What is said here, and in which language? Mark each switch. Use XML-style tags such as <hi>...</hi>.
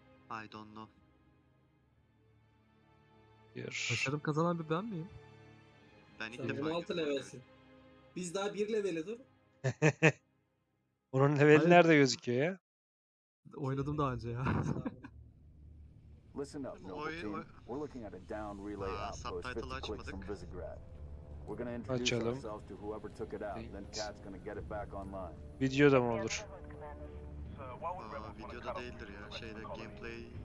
<en>I don't know.</en> <tr>Bir. Başarım kazanan bir ben miyim? Ben ilk defa. 26 levelsin. Biz daha bir leveli dur. Onun leveli nerede gözüküyor ya? Oynadım daha önce ya.</tr> <en>Listen up, Noble Team. We're looking at a down relay outpost 50 clicks from Visegrad. We're gonna introduce ourselves to whoever took it out, then Kat's gonna get it back online.</en> <tr>Video da mı olur? Video da değildir ya, şeyde gameplay.</tr>